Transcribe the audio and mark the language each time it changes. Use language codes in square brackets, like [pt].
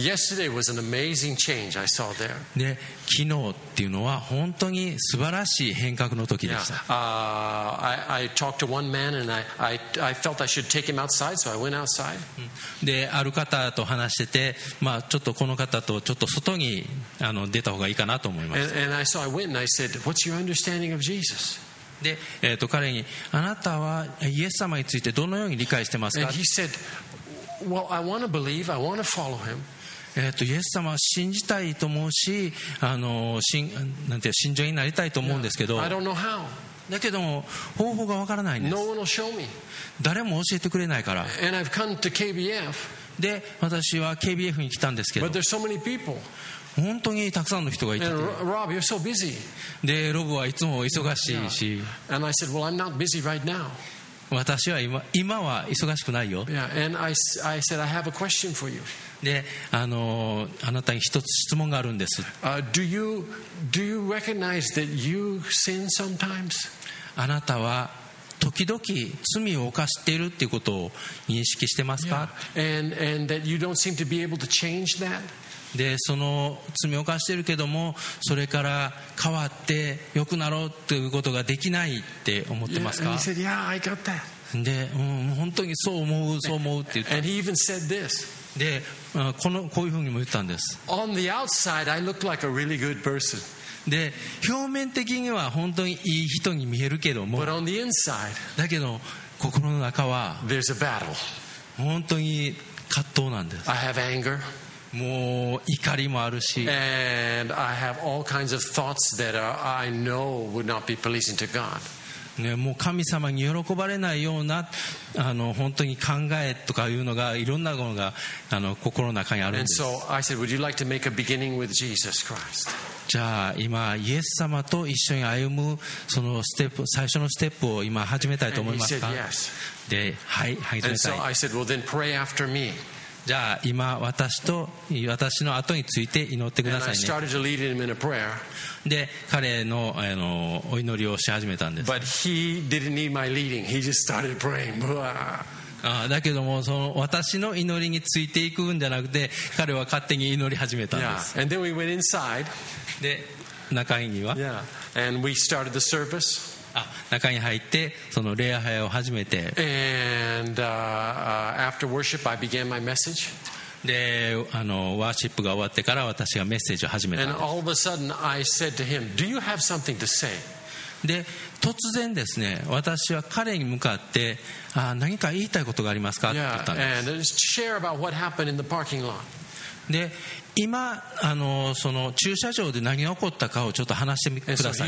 [en] Yesterday was an amazing change I saw there. [ja] で、昨日っていうのは本当に素晴らしい変革の時でした。 [en] I talked to one man and I felt I should take him outside, so I went outside. [ja] で、ある方と話してて、まあちょっとこの方とちょっと外に出た方がいいかなと思いました。 [en] And I saw I went and I said, "What's your understanding of Jesus?" [ja] で、彼にあなたはイエス様についてどのように理解してますか。 [en] And he said, "Well, I want to believe. I want to follow him." [ja] イエス様は信じたいと思うし、なんていう信者になりたいと思うんですけど。 [en] Yeah. I don't know how. [ja] だけども方法がわからないんです。 [en] No one will show me. [ja] 誰も教えてくれないから。 [en] And I've come to KBF. [ja] で、私は KBF に来たんですけど。 [en] But there's so many people. [ja] 本当にたくさんの人がいて、 [en] Rob, you're so busy. [ja] で、ロブはいつも忙しいし、 yeah. [en] And I said, well, I'm not busy right now. [ja] 私は 今は忙しくないよ。 Yeah. [en] And I said, I have a question for you. [ja] で、あなたに一つ質問があるんです。 [en] Do you recognize that you sin sometimes? [ja] あなたは時々罪を犯しているっていうことを認識してますか？ Yeah. [en] And that you don't seem to be able to change that? [ja] で、その罪を犯しているけども、それから変わって良くなろうということができないって思ってますか？ [en] Yeah, and he said, yeah, I got that. [ja] で、本当にそう思うって言った。 [en] And he even said this. [ja] で、こういうふうにも言ったんです。 [en] On the outside, I look like a really good person. [ja] で、表面的には本当にいい人に見えるけども、 [en] But on the inside, [ja] だけど心の中は [en] There's a battle. [ja] 本当に葛藤なんです。 [en] I have anger. [ja] もう怒りもあるし、 [en] and I have all kinds of thoughts that I know would not be pleasing to God. [ja] ね、もう神様に喜ばれないような本当に考えとかいうのがいろんなものが心の中にあるんです。 [en] And so I said, would you like to make a beginning with Jesus Christ? [ja] じゃあ今イエス様と一緒に歩むそのステップ、最初のステップを今始めたいと思いますか？ [en] And he said, yes. [ja] で、はい、始めたい。 [en] And so I said, well then pray after me. [ja] じゃあ今私の後について祈ってくださいね。 [en] And I started to lead him in a prayer. [ja] で、彼のお祈りをし始めたんです。 [en] But he didn't need my leading. He just started praying. [ja] だけどもその私の祈りについていくんじゃなくて、彼は勝手に祈り始めたんです。 [en] Yeah. And then we went inside. [ja] で、中には、 yeah. [en] And we started the service. [ja] 中に入ってその礼拝を始めて、 [en] and, after worship, I began my message. [ja] で、ワーシップが終わってから私がメッセージを始めた。 [en] And all of a sudden, I said to him, "Do you have something to say?" [ja] で、突然ですね、私は彼に向かって、何か言いたいことがありますか？って言ったんです。 [en] Yeah, and just share about what happened in the parking lot. [ja] で、今その駐車場で何が起こったかをちょっと話してください。